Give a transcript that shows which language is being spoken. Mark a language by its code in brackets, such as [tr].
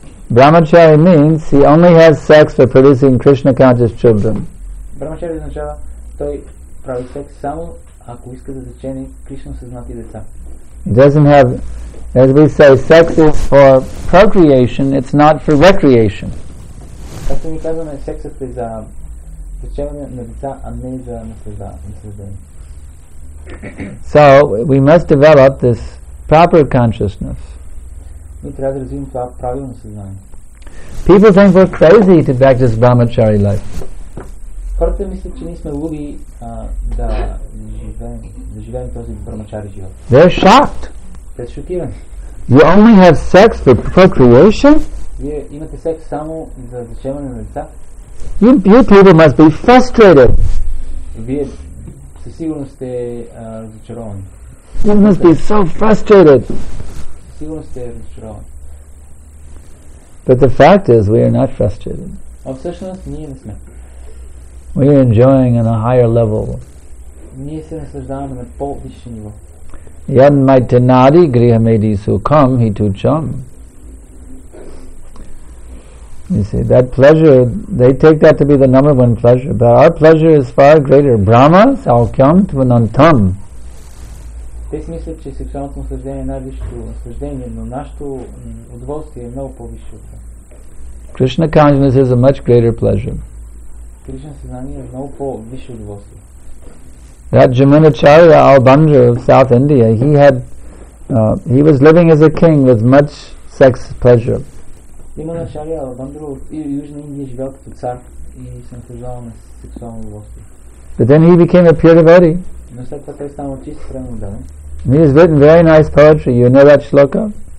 [en] Brahmachari means he only has sex for producing Krishna conscious children. [bg] Brahmachari означава той прави секс само ако иска да зачене Кришна съзнати деца. [en] Doesn't have, as we say, sex is for procreation, it's not for recreation. [bg] Както ни казваме, сексът е за зачеване на деца, а не за наслаждение. [en] So we must develop this proper consciousness. [bg] Ние трябва да развием това правилно съзнание. [en] People think we're crazy to practice brahmachari life. [bg] Хората мислят, че ние сме луди да живеем този брамачари живот. [en] They're shocked. [bg] Те са шокирани. [en] You only have sex for procreation? [bg] Вие имате секс само за зачеване на деца? [en] You people must be frustrated. [bg] Вие със сигурност сте разочаровани. [en] You must be so frustrated. [bg] Сигурно сте разочаровани. [en] But the fact is, we are not frustrated. [bg] А всъщност ние не сме. [en] We are enjoying on a higher level. [bg] Ние се наслаждаваме на по-висше ниво. [sa] Yan maitanadi grihamedi sukham hi tu cham. [en] You see, that pleasure, they take that to be the number one pleasure, but our pleasure is far greater. [sa] Brahma saukyam tvanantam. [bg] Те си мислят, че сексуалното наслаждение е най-висшето наслаждение, но нашето удоволствие е много по-висше от това. [en] Krishna consciousness is a much greater pleasure. [bg] Krishna съзнание е много по-висше удоволствие. [en] That Jamunacharya, our Bandra of South India, he had, he was living as a king with much sex pleasure. Jamunacharya, our Bandra of Yujna India, he lived as a king with much sex pleasure. But then he became a pure devotee. And he has written very nice poetry. You know that shloka?